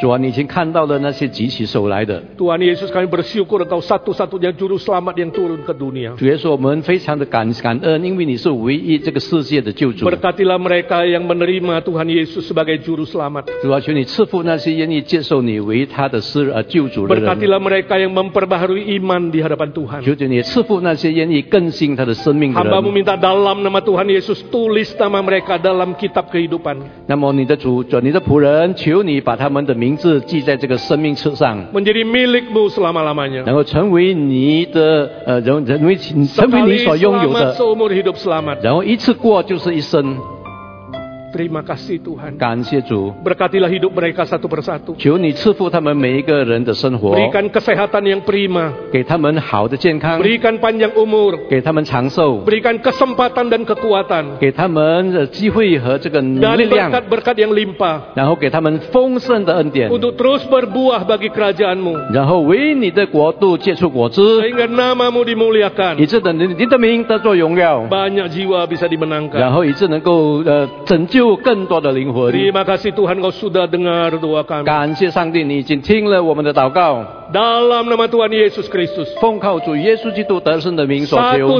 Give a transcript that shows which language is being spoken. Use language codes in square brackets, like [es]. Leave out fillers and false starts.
[zh] Tuhan, 已经看到了那些举起手来的。 [id] Tuhan Yesus, kami bersyukur engkau satu-satunya juru selamat yang turun ke dunia. [zh] 主耶稣，我们非常的感恩，因为你是唯一这个世界的救主。 [id] Berkatilah mereka yang menerima Tuhan Yesus sebagai juru selamat. [zh] 主啊，求你赐福那些愿意接受你为他的救主的人。 [id] Berkatilah mereka yang memperbaharui iman di hadapan Tuhan. [zh] 求你赐福那些愿意更新他的生命的人。 [id] Hambamu minta dalam nama Tuhan Yesus tulis nama mereka dalam kitab kehidupan. [zh] 那么你的主，你的仆人，求你把他们的名字记在这个生命册上。 [id] Menjadi milikmu selama-lamanya. [zh] 然后成为你的成为你所拥有的。 [id] Seumur hidup selamat. [zh] 然后一次过就是一生。 [id] Terima kasih Tuhan. [zh] 感谢主。 [id] Berkatilah hidup mereka satu persatu. [zh] 求你赐福他们每一个人的生活。 [id] Berikan kesehatan yang prima. [zh] 给他们好的健康。 [id] Berikan panjang umur. [zh] 给他们长寿。 [id] Berikan kesempatan dan kekuatan. [zh] 给他们机会和这个力量。 [id] Dan berkat-berkat yang limpah. [zh] 然后给他们丰盛的恩典。 [id] Untuk terus berbuah bagi kerajaanmu. [zh] 然后为你的国度结出果子。 [id] Sehingga namamu dimuliakan. [zh] 以致等你的名得着荣耀。 [id] Banyak jiwa bisa dimenangkan. [zh] 然后以致能够拯救更多的灵魂。 [id] Terima kasih Tuhan, kau sudah dengar doa kami. [zh] 感谢上帝，你已经听了我们的祷告。 [id] Dalam nama Tuhan Yesus Kristus. [zh] 奉靠主耶稣基督得胜的名所求。